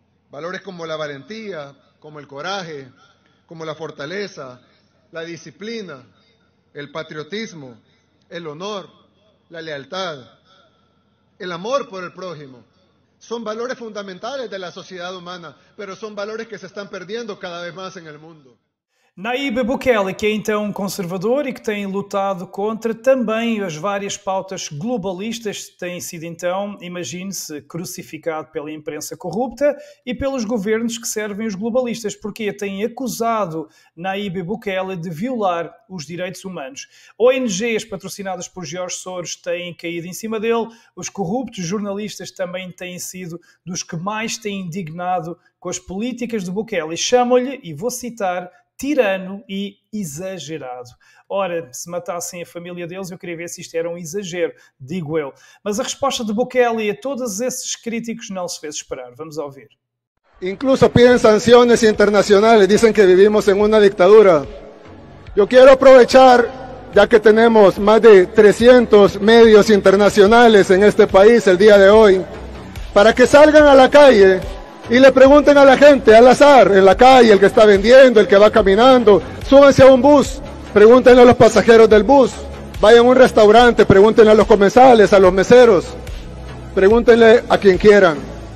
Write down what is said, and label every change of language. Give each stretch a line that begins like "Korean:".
Spanish: Valores como la valentía, como el coraje, como la fortaleza, la disciplina, el patriotismo, el honor, la lealtad, el amor por el prójimo. Son valores fundamentales de la sociedad humana, pero son valores que se están perdiendo cada vez más en el mundo.
Portuguese: Nayib Bukele, que é então um conservador e que tem lutado contra também as várias pautas globalistas, tem sido então, imagine-se, crucificado pela imprensa corrupta e pelos governos que servem os globalistas, porque têm acusado Nayib Bukele de violar os direitos humanos. ONGs patrocinadas por George Soros têm caído em cima dele, os corruptos jornalistas também têm sido dos que mais têm indignado com as políticas de Bukele. Chamam-lhe, e vou citar, tirano e exagerado. Ora, se matassem a família deles, eu queria ver se isto era um exagero, digo eu. Mas a resposta de Bukele a todos esses críticos não se fez esperar. Vamos ouvir.
Spanish: Incluso piden sanciones internacionales, dicen que vivimos en una dictadura. Yo quiero aprovechar, ya que tenemos más de 300 medios internacionales en este país el día de hoy, para que salgan a la calle y le pregunten a la gente, al azar, en la calle, el que está vendiendo, el que va caminando, súbanse a un bus, pregúntenle a los pasajeros del bus, vayan a un restaurante, pregúntenle a los comensales, a los meseros, pregúntenle a quien quieran.